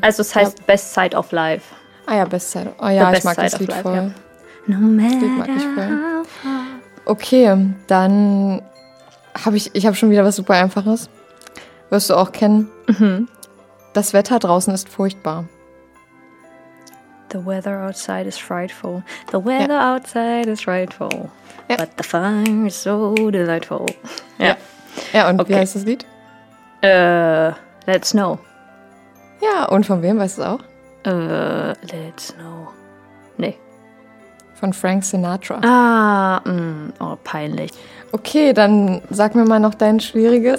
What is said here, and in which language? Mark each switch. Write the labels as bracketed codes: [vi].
[de] Also es heißt Best Side of Life. Ah ja, Best Side. Oh ja, ich mag das Lied voll. [en] No matter. [de] Okay, dann habe ich habe schon wieder was super Einfaches. Wirst du auch kennen. Mhm. Das Wetter draußen ist furchtbar. [en] The weather outside is frightful. The weather outside is frightful. Ja. But the fire is so delightful. [de] Ja. Ja, und okay. Wie heißt das Lied? Let's Snow. Ja, und von wem, weißt du es auch? Let's Snow. Nee. Von Frank Sinatra. Ah, oh, peinlich. Okay, dann sag mir mal noch dein Schwieriges.